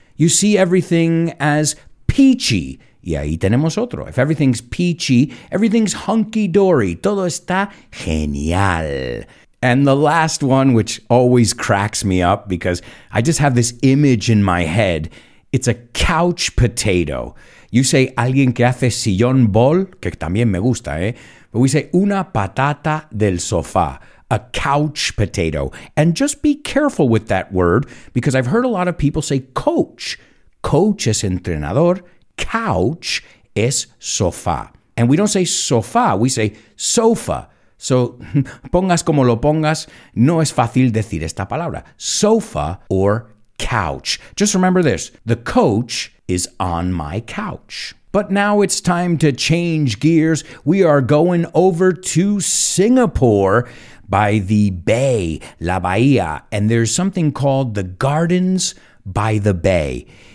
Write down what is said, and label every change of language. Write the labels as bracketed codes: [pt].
[en] You see everything as peachy. [es] Y ahí tenemos otro. [en] If everything's peachy, everything's hunky-dory. [es] Todo está genial. [en] And the last one, which always cracks me up because I just have this image in my head, it's a couch potato. You say [es] alguien que hace sillón bol, que también me gusta, eh? [en] But we say [es] una patata del sofá, [en] a couch potato. And just be careful with that word, because I've heard a lot of people say coach. [es] Coach es entrenador, couch es sofá. [en] And we don't say sofá, we say sofa. [es] So pongas como lo pongas, no es fácil decir esta palabra. [en] Sofa or couch. Just remember this, the coach is on my couch. But now it's time to change gears. We are going over to Singapore by the bay, La Bahia, and there's something called the Gardens by the Bay.